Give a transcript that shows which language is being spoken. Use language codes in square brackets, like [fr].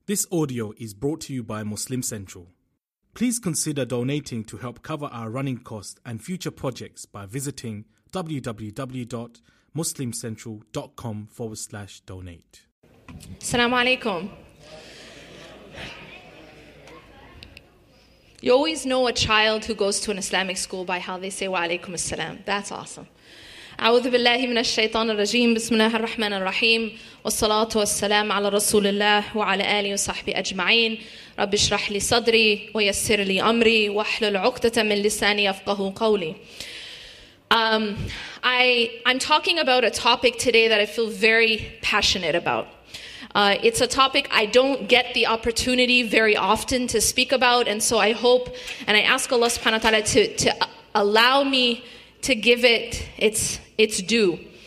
[en] This audio is brought to you by Muslim Central. Please consider donating to help cover our running costs and future projects by visiting www.muslimcentral.com/donate. Assalamu alaikum. You always know a child who goes to an Islamic school by how they say wa alaikum assalam. That's awesome. [ar] أعوذ بالله من الشيطان الرجيم بسم الله الرحمن الرحيم والصلاة والسلام على رسول الله وعلى آله وصحبه أجمعين رب اشرح لي صدري ويسر لي أمري واحلل عقدة من لساني يفقه قولي. [en] I'm talking about a topic today that I feel very passionate about. It's a topic I don't get the opportunity very often to speak about, and so I hope and I ask Allah subhanahu wa ta'ala to allow me to give it its due.